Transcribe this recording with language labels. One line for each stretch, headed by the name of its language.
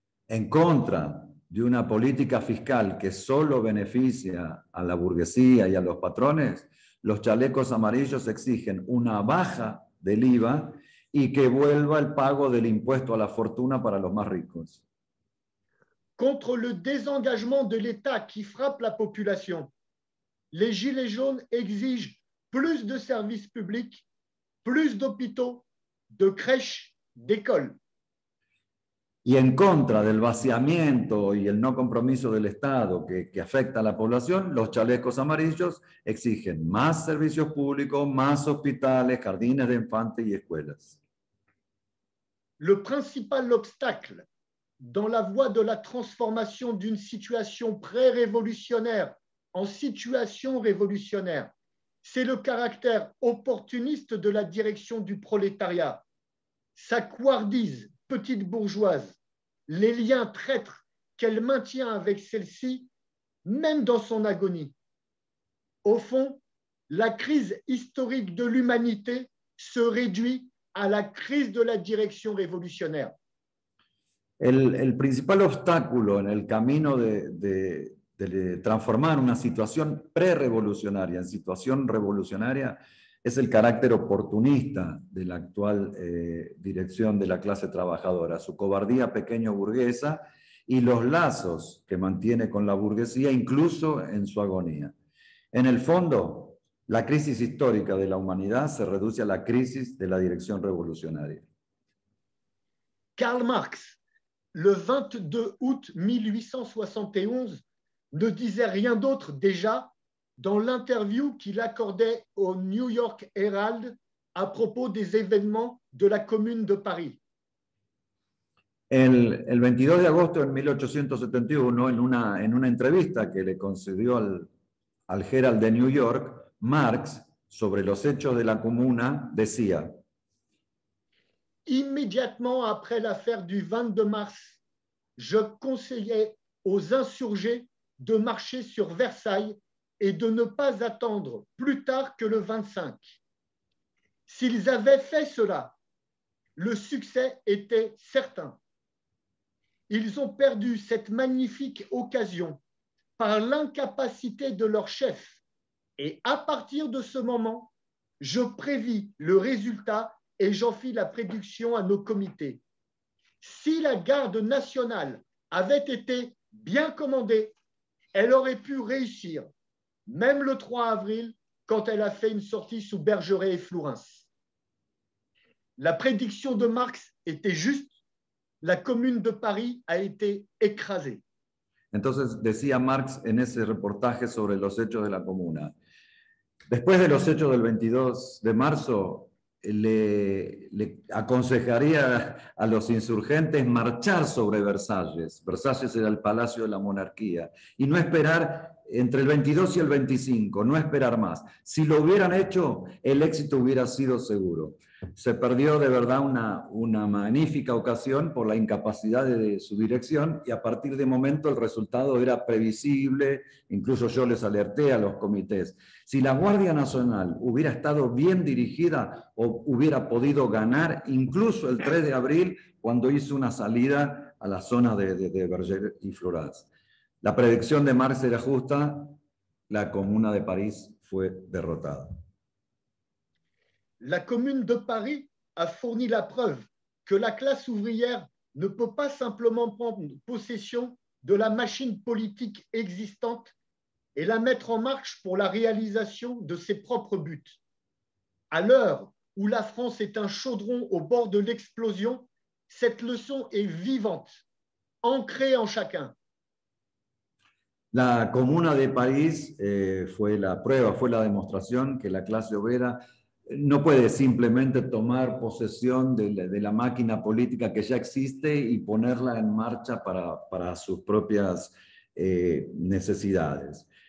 Spanish: En contra de una política fiscal que solo beneficia a la burguesía y a los patrones, los chalecos amarillos exigen una baja del IVA y que vuelva el pago del impuesto a la fortuna para los más ricos.
French: Contre le désengagement de l'État qui frappe la population, les gilets jaunes exigent plus de services publics, plus d'hôpitaux, de crèches, d'écoles.
Spanish: Y en contra del vaciamiento y el no compromiso del Estado que afecta a la población, los chalecos amarillos exigen más servicios públicos, más hospitales, jardines de infantes y escuelas.
French: Le principal obstacle dans la voie de la transformation d'une situation pré-révolutionnaire en situation révolutionnaire, c'est le caractère opportuniste de la direction du prolétariat. Sa couardise petite bourgeoise, les liens traîtres qu'elle maintient avec celle-ci, même dans son agonie. Au fond, la crise historique de l'humanité se réduit à la crise de la direction révolutionnaire.
Spanish: El principal obstáculo en el camino de transformar una situación pre-revolucionaria en situación revolucionaria es el carácter oportunista de la actual dirección de la clase trabajadora, su cobardía pequeño burguesa y los lazos que mantiene con la burguesía, incluso en su agonía. En el fondo, la crisis histórica de la humanidad se reduce a la crisis de la dirección revolucionaria.
French: Karl Marx, le 22 août 1871, ne disait rien d'autre déjà dans l'interview qu'il accordait au New York Herald à propos des événements de la Commune de Paris.
Spanish: El 22 de agosto de 1871, en una entrevista que le concedió al Herald de New York, Marx, sobre los hechos de la Comuna, decía:
French: immédiatement après l'affaire du 22 mars, je conseillais aux insurgés de marcher sur Versailles et de ne pas attendre plus tard que le 25. S'ils avaient fait cela, le succès était certain. Ils ont perdu cette magnifique occasion par l'incapacité de leur chef. Et à partir de ce moment, je prévis le résultat et j'en fis la prédiction à nos comités. Si la garde nationale avait été bien commandée, elle aurait pu réussir, même le 3 avril, quand elle a fait une sortie sous Bergeret et Flourens. La prédiction de Marx était juste, la Commune de Paris a été écrasée.
Spanish: Entonces decía Marx en ese reportaje sobre los hechos de la Comuna. Después de los hechos del 22 de marzo, le aconsejaría a los insurgentes marchar sobre Versalles. Versalles era el palacio de la monarquía. Y no esperar entre el 22 y el 25, no esperar más. Si lo hubieran hecho, el éxito hubiera sido seguro. Se perdió de verdad una magnífica ocasión por la incapacidad de su dirección y a partir de momento el resultado era previsible, incluso yo les alerté a los comités. Si la Guardia Nacional hubiera estado bien dirigida, hubiera podido ganar incluso el 3 de abril cuando hizo una salida a la zona de Bergeret y Flourens. La predicción de Marx era justa, la Comuna de París fue derrotada.
French: La Commune de Paris a fourni la preuve que la classe ouvrière ne peut pas simplement prendre possession de la machine politique existante et la mettre en marche pour la réalisation de ses propres buts. À l'heure où la France est un chaudron au bord de l'explosion, cette leçon est vivante, ancrée en chacun.
Spanish: La Comuna de París fue la prueba, fue la demostración que la clase obrera no puede simplemente tomar posesión de la máquina política que ya existe y ponerla en marcha para sus propias necesidades.